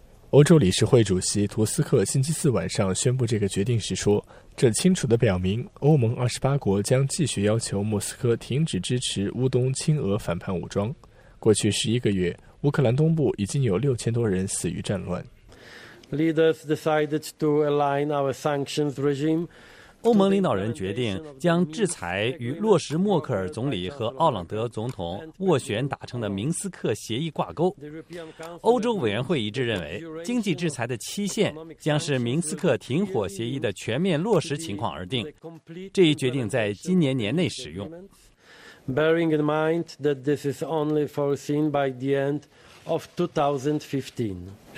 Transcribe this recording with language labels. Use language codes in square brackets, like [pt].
[zh] 欧洲理事会主席图斯克星期四晚上宣布这个决定时说，这清楚地表明欧盟28国将继续要求莫斯科停止支持乌东亲俄反叛武装。过去11个月，乌克兰东部已经有6000多人死于战乱。 [en] Leaders decided to align our sanctions regime [zh] 欧盟领导人决定将制裁与落实默克尔总理和奥朗德总统斡旋达成的明斯克协议挂钩。欧洲委员会一致认为，经济制裁的期限将是明斯克停火协议的全面落实情况而定。这一决定在今年年内使用。 [en] Bearing in mind that this is only foreseen by the end of 2015.